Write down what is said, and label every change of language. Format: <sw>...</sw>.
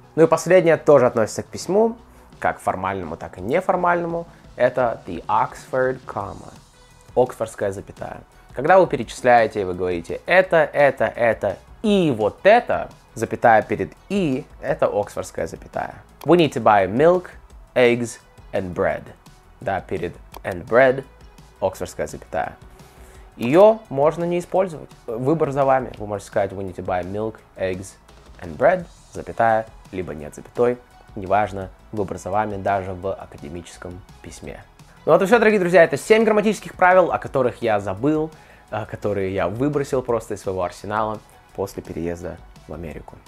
<ru>Ну и последнее тоже относится к письму, как формальному, так и неформальному. Это the Oxford comma. Оксфордская запятая. Когда вы перечисляете, вы говорите это и вот это, запятая перед «и» — это оксфордская запятая.</ru> <en>We need to buy milk, eggs and bread.</en> <ru>Да, перед «and bread» — оксфордская запятая. Ее можно не использовать. Выбор за вами. Вы можете сказать «we need to buy milk, eggs and bread», запятая, либо нет запятой. Неважно, выбор за вами даже в академическом письме. Ну вот и все, дорогие друзья, это 7 грамматических правил, о которых я забыл, которые я выбросил просто из своего арсенала после переезда в Америку.</ru>